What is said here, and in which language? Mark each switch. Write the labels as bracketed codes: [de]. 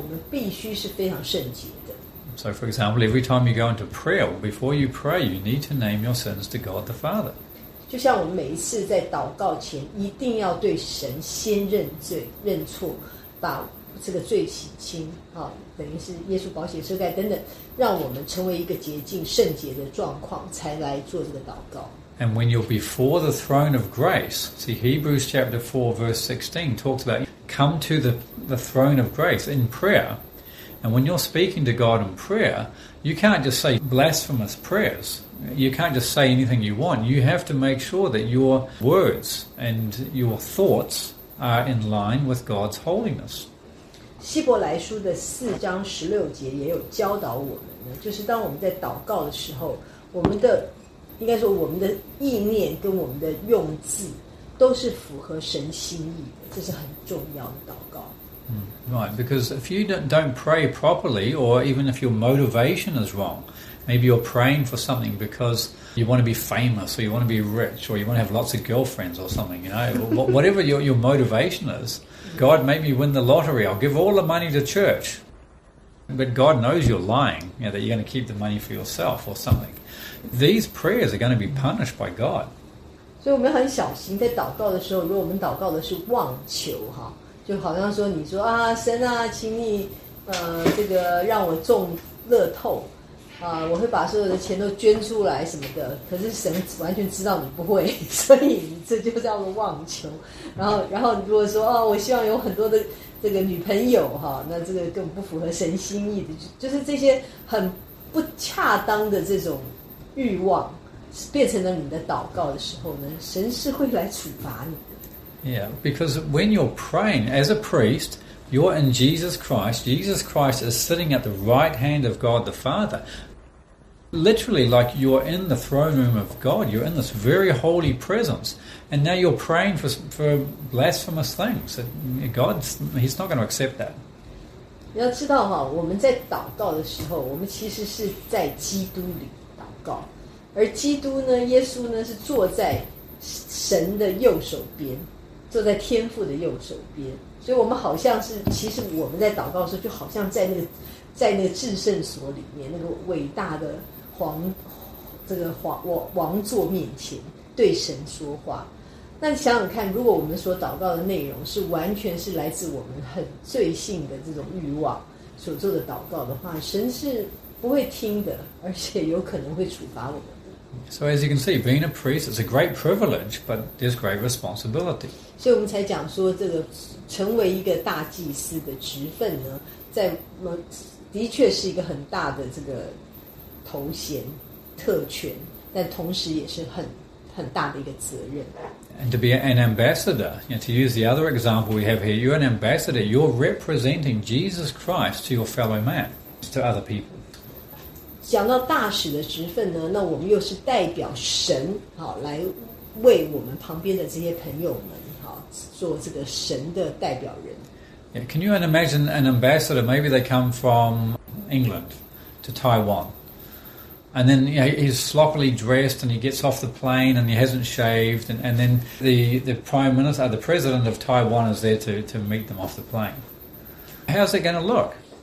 [zh] 所以当我们从这个过去旧约的这个学习里面可以理解到，当我们成为一个大祭司的职分的时候，我们在做祭司的职分的时候，我们必须是非常圣洁的。 [en] So for example, every time you go into prayer, before you pray, you need to name your sins to God the Father. [zh] 就像我们每一次在祷告前，一定要对神先认罪、认错，把这个罪洗清，好。等于是耶稣宝血遮盖等等，让我们成为一个洁净圣洁的状况，才来做这个祷告。 [en] And when you're before the throne of grace, see Hebrews chapter 4 verse 16 talks about come to the throne of grace in prayer. And when you're speaking to God in prayer, you can't just say blasphemous prayers. You can't just say anything you want. You have to make sure that your words and your thoughts are in line with God's holiness. [zh] 希伯来书的四章十六节也有教导我们呢，就是当我们在祷告的时候，我们的应该说我们的意念跟我们的用字都是符合神心意的，这是很重要的祷告。 [en] Right, because if you don't pray properly, or even if your motivation is wrong, maybe you're praying for something because you want to be famous, or you want to be rich, or you want to have lots of girlfriends or something, you know, whatever your motivation is, God, make me win the lottery, I'll give all the money to church. But God knows you're lying, you know, that you're going to keep the money for yourself or something. These prayers are going to be punished by God. So we're very careful in prayer, if we're praying for wrong prayers, [zh] 就好像说你说啊神啊请你这个让我中乐透啊，我会把所有的钱都捐出来什么的，可是神完全知道你不会，所以这就叫做妄求。然后如果说啊我希望有很多的这个女朋友哈，那这个更不符合神心意的，就是这些很不恰当的这种欲望变成了你的祷告的时候呢，神是会来处罚你。 [en] Yeah, because when you're praying as a priest, you're in Jesus Christ. Jesus Christ is sitting at the right hand of God the Father. Literally, like you're in the throne room of God. You're in this very holy presence. And now you're praying for blasphemous things. God's, he's not going to accept that. [zh] 你要知道哈，我们在祷告的时候，我们其实是在基督里祷告。而基督呢，耶稣呢，是坐在神的右手边。坐在天父的右手边，所以我们好像是，其实我们在祷告的时候，就好像在那个至圣所里面，那个伟大的王座面前对神说话。那你想想看，如果我们所祷告的内容是完全是来自我们很罪性的这种欲望所做的祷告的话，神是不会听的，而且有可能会处罚我们。 [en] So as you can see, being a priest is a great privilege, but there's great responsibility. [zh] 所以我们才讲说，这个成为一个大祭司的职分呢，在的确是一个很大的这个头衔、特权，但同时也是很大的一个责任。 [en] And to be an ambassador, you know, to use the other example we have here, you're an ambassador. You're representing Jesus Christ to your fellow man, to other people. [zh] 讲到大使的职分呢，那我们又是代表神，好来为我们旁边的这些朋友们，好做这个神的代表人。 [en] Yeah, can you imagine an ambassador? Maybe they come from England to Taiwan, and then you know, he's sloppily dressed, and he gets off the plane, and he hasn't shaved, and then the prime minister, the president of Taiwan, is there to meet them off the plane. How's it going to look?